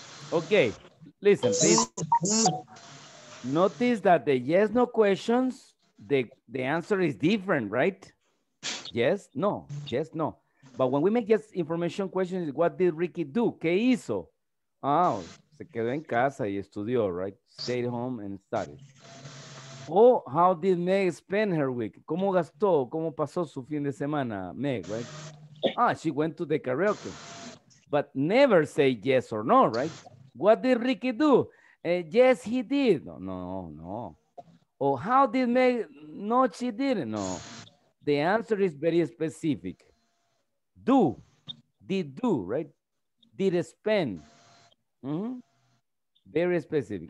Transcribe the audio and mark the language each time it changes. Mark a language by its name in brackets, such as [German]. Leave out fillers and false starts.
[English] Okay, listen, please. Notice that the yes, no questions, the answer is different, right? Yes, no, yes, no. But when we make yes information questions, what did Ricky do? [Spanish] ¿Qué hizo? Oh, se quedó en casa y estudió, [English] right? Stayed home and studied. [Spanish] Oh, [English] how did Meg spend her week? [Spanish] ¿Cómo gastó? ¿Cómo pasó su fin de semana, Meg, right? [English] Ah, she went to the karaoke. But never say yes or no, right? What did Ricky do? Yes, he did. No. Or how did Meg? No, she didn't. No. The answer is very specific. Do. Did do, right? Did spend. Mm-hmm. Very specific.